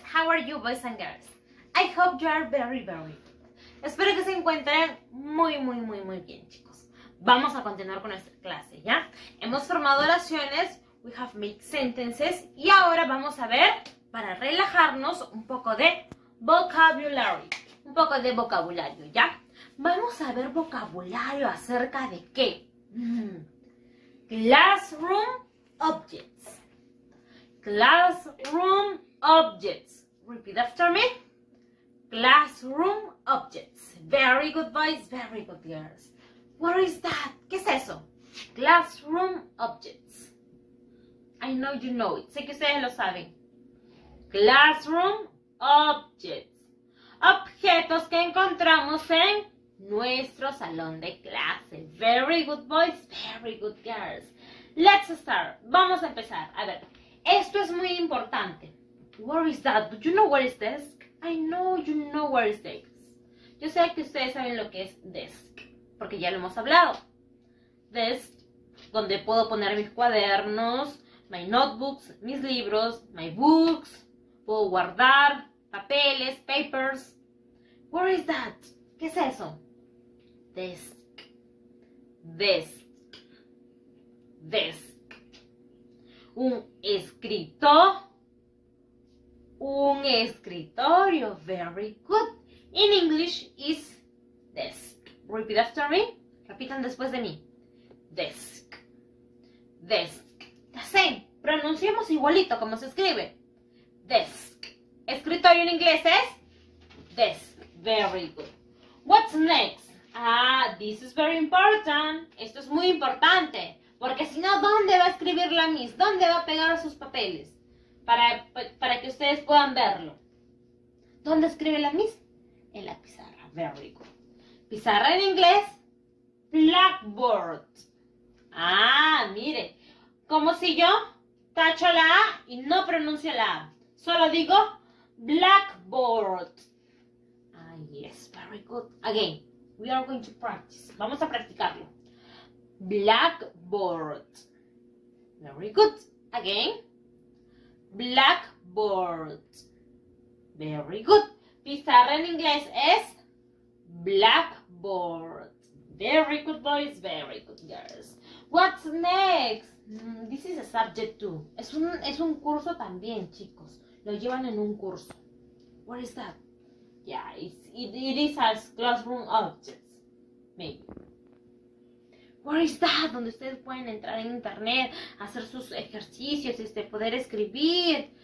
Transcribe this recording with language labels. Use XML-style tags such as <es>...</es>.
<en>How are you, boys and girls? I hope you are very, very good.</en> <es>Espero que se encuentren muy, muy, muy, muy bien, chicos. Vamos a continuar con nuestra clase, ¿ya? Hemos formado oraciones.</es> <en>We have made sentences.</en> <es>Y ahora vamos a ver, para relajarnos, un poco de vocabulary. Un poco de vocabulario, ¿ya? Vamos a ver vocabulario acerca de qué.</es> <en>Classroom objects. Classroom objects. Repeat after me. Classroom objects. Very good boys, very good girls. What is that?</en> <es>¿Qué es eso?</es> <en>Classroom objects. I know you know it.</en> <es>Sé que ustedes lo saben.</es> <en>Classroom objects.</en> <es>Objetos que encontramos en nuestro salón de clase.</es> <en>Very good boys, very good girls. Let's start.</en> <es>Vamos a empezar. A ver. Esto es muy importante.</es> <en>Where is that? Do you know where is desk? I know you know where is desk.</en> <es>Yo sé que ustedes saben lo que es desk, porque ya lo hemos hablado. Desk, donde puedo poner mis cuadernos,</es> <en>my notebooks,</en> <es>mis libros,</es> <en>my books.</en> <es>Puedo guardar papeles, papers.</es> <en>Where is that?</en> <es>¿Qué es eso? Desk. Desk. Desk. Un escritor, un escritorio.</es> <en>Very good. In English is desk. Repeat after me.</en> <es>Repitan después de mí.</es> <en>Desk. Desk. The same.</en> <es>Pronunciamos igualito como se escribe. Desk. Escritorio en inglés es desk.</es> <en>Very good. What's next? Ah, this is very important.</en> <es>Esto es muy importante. Porque si no, ¿dónde va a escribir la Miss? ¿Dónde va a pegar sus papeles? Para que ustedes puedan verlo. ¿Dónde escribe la Miss? En la pizarra.</es> <en>Very good.</en> <es>Pizarra en inglés.</es> <en>Blackboard. Ah, mire.</en> <es>Como si yo tacho la A y no pronuncio la A. Solo digo</es> <en>blackboard. Ah, yes. Very good. Again, we are going to practice.</en> <es>Vamos a practicarlo. Blackboard.</es> <en>Very good. Again. Blackboard. Very good.</en> <es>Pizarra en inglés es blackboard.</es> <en>Very good, boys. Very good, girls. What's next? This is a subject too.</en> <es>Es un curso también, chicos. Lo llevan en un curso.</es> <en>What is that? Yeah, it is a classroom object. Maybe. Where is that?</en> <es>Donde ustedes pueden entrar en internet, hacer sus ejercicios, poder escribir.</es>